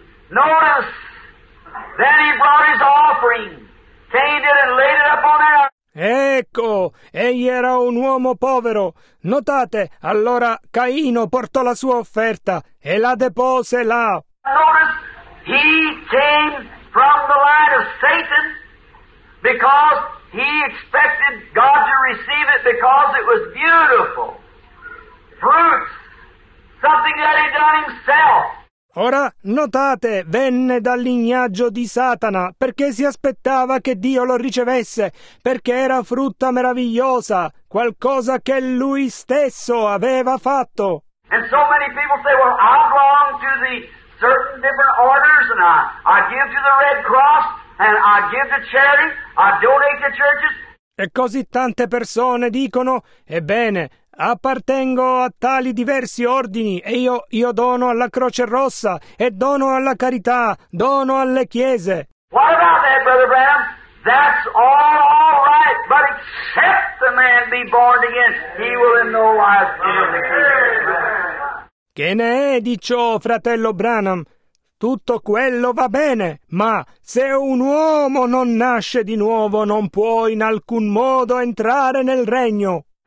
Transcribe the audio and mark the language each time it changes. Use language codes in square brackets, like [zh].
[en] Notice, then he brought his offering. Cain did and laid it up on the altar. [it] Ecco, egli era un uomo povero. Notate, allora Caino portò la sua offerta e la depose là. [en] Notice, he came from the line of Satan because he expected God to receive it because it was beautiful. Fruits. Something that he done himself. [it] Ora, notate, venne dal lignaggio di Satana, perché si aspettava che Dio lo ricevesse, perché era frutta meravigliosa, qualcosa che lui stesso aveva fatto. [en] And so many people say, well, I belong to the certain different orders, and I give to the Red Cross, and I give to charity, I donate to churches. [it] E così tante persone dicono, ebbene, appartengo a tali diversi ordini e io dono alla Croce Rossa e dono alla carità, dono alle chiese. [en] What about that, Brother Branham? That's all right, but except the man be born again, he will in no wise be in the kingdom. [it] Che ne è di ciò, fratello Branham? Tutto quello va bene, ma se un uomo non nasce di nuovo, non può in alcun modo entrare nel regno.